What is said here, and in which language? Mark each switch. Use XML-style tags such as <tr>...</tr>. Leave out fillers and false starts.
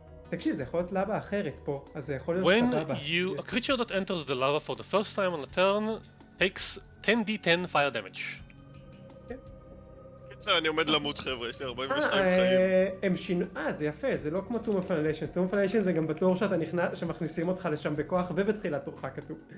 <he>תקשיב, זה יכול להיות לבה אחרת פה, אז זה יכול להיות סבבה.</he> <en>When a creature that enters the lava for the first time on a turn takes 10d10 fire damage.</en> <he>קיצר, אני עומד למות, חבר'ה, יש לי 42 חיים. זה יפה, זה לא כמו Tomb of Annihilation. Tomb of Annihilation זה גם בתור שאתה נכנס, שמכניסים אותך לשם בכוח ובתחילת תורך כתוב.</he>